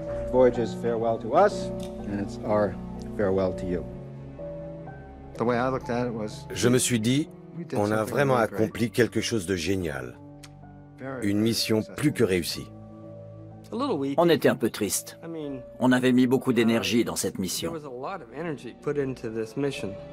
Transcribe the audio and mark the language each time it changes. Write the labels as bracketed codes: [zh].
[en] Voyager's farewell to us, and it's our farewell to you. The way I looked at it was, [fr] je me suis dit, on a vraiment accompli quelque chose de génial. Une mission plus que réussie. On était un peu triste. On avait mis beaucoup d'énergie dans cette mission. [en] There was a lot of energy put into this mission.